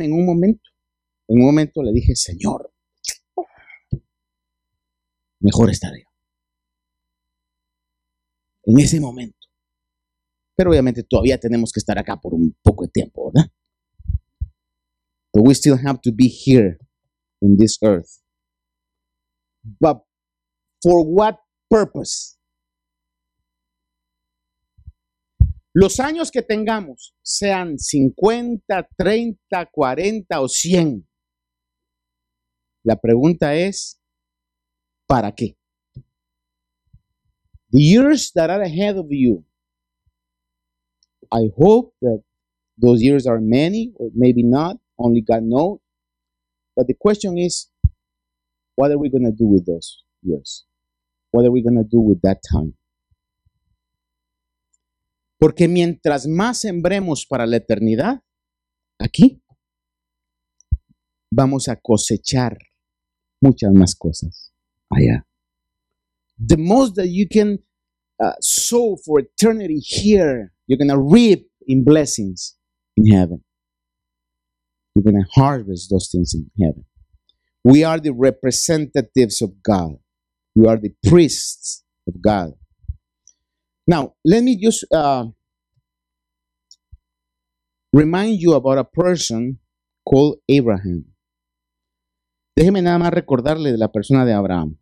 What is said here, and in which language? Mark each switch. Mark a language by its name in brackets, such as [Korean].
[Spanish] Y créame, en un momento le dije: Señor, mejor estaré. En ese momento. Pero obviamente todavía tenemos que estar acá por un poco de tiempo, ¿verdad? [English] But we still have to be here in this earth. But for what purpose? [Spanish] Los años que tengamos, sean 50, 30, 40 o 100, la pregunta es, ¿para qué? [English] The years that are ahead of you, I hope that those years are many, or maybe not, only God knows. But the question is, what are we going to do with those years? What are we going to do with that time? [Spanish] Porque mientras más sembremos para la eternidad, aquí, vamos a cosechar muchas más cosas allá. [English] the most that you can sow for eternity here, you're going to reap in blessings in heaven. You're going to harvest those things in heaven. We are the representatives of God. We are the priests of God. Now, let me just remind you about a person called Abraham. [Spanish] Déjeme nada más recordarle de la persona de Abraham.